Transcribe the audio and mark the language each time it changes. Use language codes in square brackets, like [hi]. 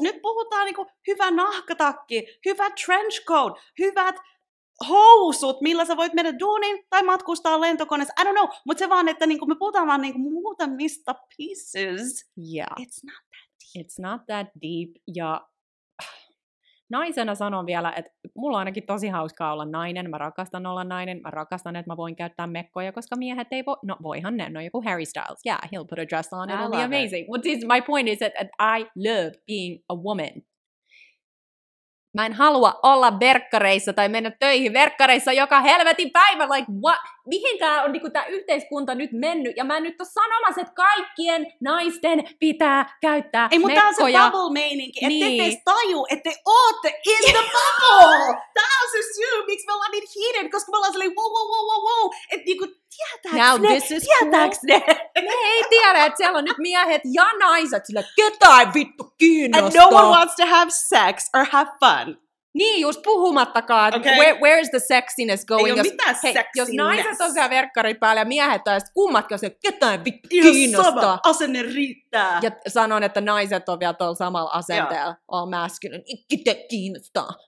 [fi] Nyt puhutaan niin kuin hyvä nahkatakki, hyvä trench coat, hyvät housut, millä sä voit mennä duuniin tai matkustaa lentokoneessa. [en] I don't know, [fi] mutta se vaan, että niinku me puhutaan vaan niinku muutamista pieces. [en] Yeah. It's not that deep. It's not that deep. [fi] Ja naisena sanon vielä, että mulla on ainakin tosi hauskaa olla nainen. Mä rakastan olla nainen. Mä rakastan, että mä voin käyttää mekkoja, koska miehet ei voi. No voihan ne. No joku [en] Harry Styles. Yeah, he'll put a dress on. It'll be amazing. But this, my point is that I love being a woman. [fi] Mä en halua olla verkkareissa tai mennä töihin verkkareissa joka helvetin päivä. [en] Like, what? [fi] Mihin tää on niinku tää yhteiskunta nyt mennyt? Ja mä en nyt oo sanomassa, että kaikkien naisten pitää käyttää ei, mekkoja. Ei, mutta tää on se bubble-meininki. Niin. Ette teistä taju, että te ootte [en] in the bubble! [fi] Tää on se syy, miksi me ollaan niin heated, koska me ollaan silleen wow. Että niinku, tietääks ne? Me ei tiedä, että siellä on nyt miehet ja naiset sillä ketään vittu kiinnostaa. [en] And no one wants to have sex or have fun. [fi] Niin, just puhumattakaan, okay. [en] Where is the sexiness going? [fi] Ei ole mitään sexiness. Jos naiset on siellä verkkarit päällä ja miehet on, ja sitten kummatkin on se, ketään kiinnostaa. Sama asenne riittää. Ja sanon, että naiset on vielä tuolla samalla asenteella. Yeah. [en] All masculine, [fi] ikkite kiinnostaa.